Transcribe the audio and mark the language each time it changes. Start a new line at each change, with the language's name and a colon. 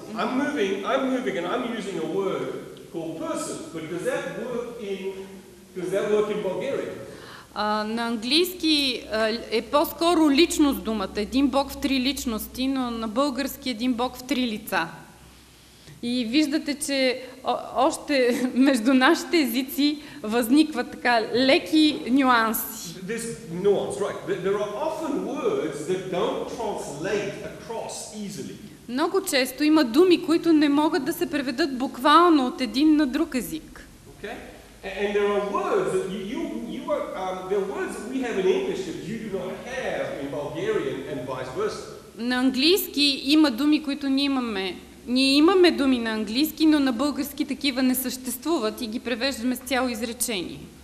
English: I'm moving and I'm using a word called person, but does that work in Bulgarian?
Bulgarian: На английски е по-скоро личност думата. Един Бог в три личности, но на български един Бог в три лица. И виждате, че още между нашите езици възникват така леки нюанси.
English: This nuance, right. There are often words that don't translate across. lost easily.
Bulgarian: Много често има думи, които не могат да се преведат буквално от един на друг език.
English: Okay? And there are words that there are words that we have in English that you do not have in Bulgarian and vice versa.
Bulgarian: На английски има думи, които ние имаме. Ние имаме думи на английски, но на български такива не съществуват и ги превеждаме с цяло изречение.